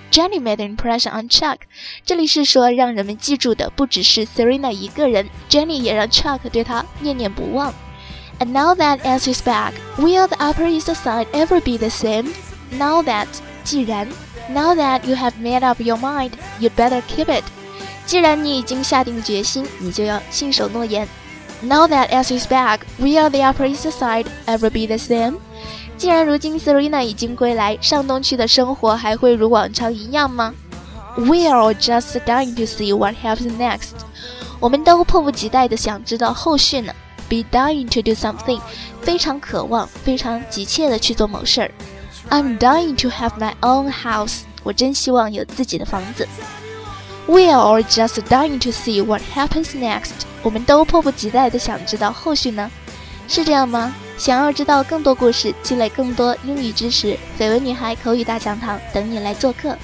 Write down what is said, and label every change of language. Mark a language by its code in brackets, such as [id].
[en] Jenny made an impression on Chuck. [zh] 这里是说让人们记住的不只是 Serena 一个人， Jenny 也让 Chuck 对她念念不忘。 [en] And now that S is back, will the Upper East Side ever be the same? Now that, [zh] 既然， [en] Now that you have made up your mind, you'd better keep it. [zh] 既然你已经下定决心，你就要信守诺言。 [en] Now that S is back, will the Upper East Side ever be the same? [zh] 既然如今 Serena 已经归来，上东区的生活还会如往常一样吗？ [en] We are just dying to see what happens next. [zh] 我们都迫不及待地想知道后续呢。 [en] Be dying to do something, [zh] 非常渴望，非常急切地去做某事。 [en] I'm dying to have my own house. [zh] 我真希望有自己的房子。 [en] We are just dying to see what happens next. [zh] 我们都迫不及待地想知道后续呢，是这样吗？想要知道更多故事，积累更多英语知识，绯闻女孩口语大讲堂等你来做客。